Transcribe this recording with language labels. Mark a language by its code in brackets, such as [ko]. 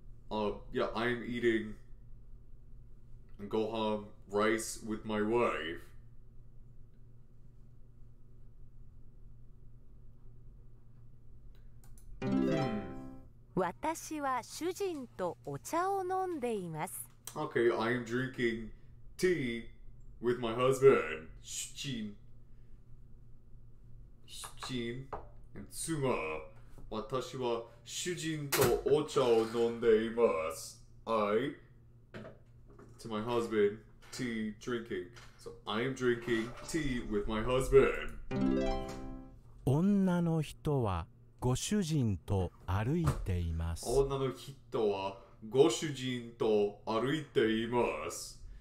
[en] I'm eating gohan rice with my wife. [ja] 私は主人とお茶を飲んでいます。 [en] Okay, I am drinking tea with my husband. [ja] 主人。主人。妻。私は主人とお茶を飲んでいます。 [en] I, to my husband, tea drinking. So I am drinking tea with my husband. [ja] 女の人はご主人と歩いています。女の人はご主人と歩いています。